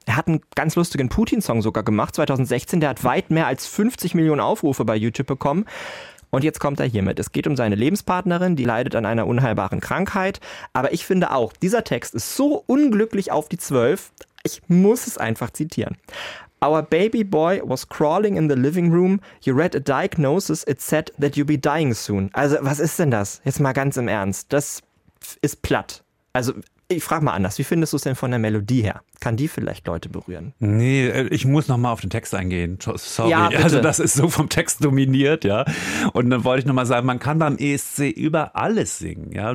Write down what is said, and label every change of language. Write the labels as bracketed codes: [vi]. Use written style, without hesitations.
[de] Er hat einen ganz lustigen Putin-Song sogar gemacht 2016, der hat weit mehr als 50 Millionen Aufrufe bei YouTube bekommen. Und jetzt kommt er hiermit. Es geht um seine Lebenspartnerin, die leidet an einer unheilbaren Krankheit. Aber ich finde auch, dieser Text ist so unglücklich auf die 12, ich muss es einfach zitieren. [en] Our baby boy was crawling in the living room. You read a diagnosis. It said that you'd be dying soon. [de] Also, was ist denn das? Jetzt mal ganz im Ernst. Das ist platt. Also, ich frage mal anders. Wie findest du es denn von der Melodie her? Kann die vielleicht Leute berühren? Nee, ich muss nochmal auf den Text eingehen. Sorry. Ja, bitte. Also, das ist so vom Text dominiert, ja. Und dann wollte ich nochmal sagen, man kann beim ESC über alles singen, ja.